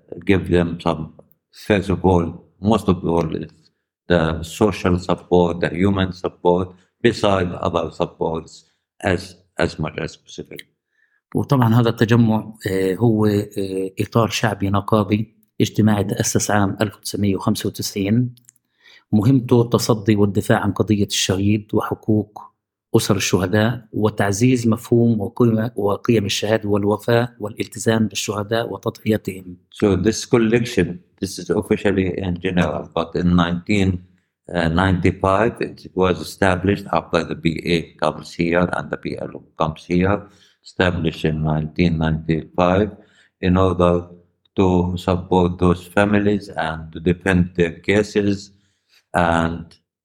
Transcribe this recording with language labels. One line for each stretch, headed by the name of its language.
English: give them some, first of all, most of all, the social support, the human support, besides other supports as much as possible.
Arabic: وطبعا هذا التجمع هو إطار شعبي نقابي اجتماعي تأسس عام 1995، مهمته التصدي والدفاع عن قضية الشهيد وحقوق أسر الشهداء وتعزيز مفهوم وقيمة وقيم الشهادة والوفاء والالتزام بالشهداء وتضحيتهم.
English: So this collection, this is officially in general, but in 1995 it was established after the BA comes here and the PLO comes here, established in 1995 in order to support those families and to defend their cases and